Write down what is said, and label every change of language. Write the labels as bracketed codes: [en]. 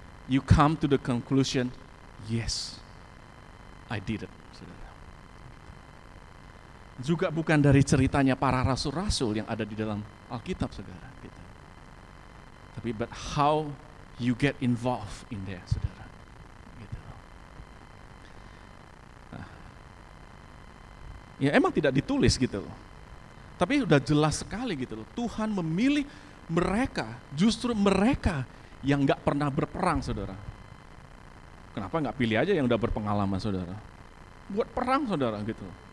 [en] You come to the conclusion, yes, I did it, saudara. [id] Juga bukan dari ceritanya para rasul-rasul yang ada di dalam Alkitab, saudara. Gitu. [en] Tapi but how you get involved in there, saudara. Gitu. Nah. [id] Ya emang tidak ditulis gitu loh. Tapi sudah jelas sekali gitu loh, Tuhan memilih mereka, justru mereka yang enggak pernah berperang, saudara. Kenapa enggak pilih aja yang udah berpengalaman, saudara? Buat perang, saudara, gitu.